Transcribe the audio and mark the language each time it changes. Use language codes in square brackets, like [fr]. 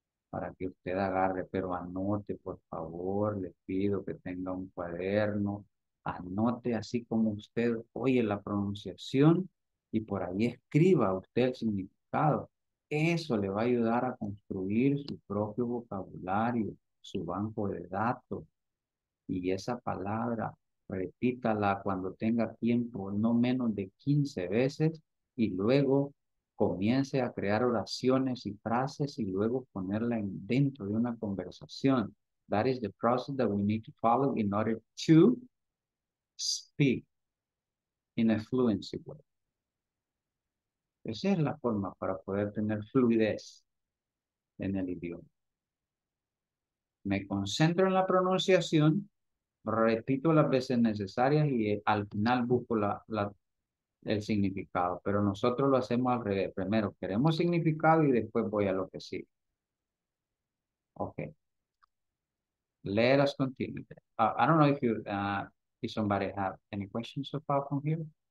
[es] para que usted agarre, pero anote, por favor, le pido que tenga un cuaderno, anote así como usted oye la pronunciación, y por ahí escriba usted el significado, eso le va a ayudar a construir su propio vocabulario, su banco de datos, y esa palabra, repítala cuando tenga tiempo, no menos de 15 veces, y luego comience a crear oraciones y frases y luego ponerla dentro de una conversación. [en] That is the process that we need to follow in order to speak in a fluent way. [es] Esa es la forma para poder tener fluidez en el idioma. Me concentro en la pronunciación. Repito las veces necesarias y al final busco el significado. Pero nosotros lo hacemos al revés. Primero queremos significado y después voy a lo que sigue. [en] Ok. Let us continue. I don't know if somebody have any questions so far from here.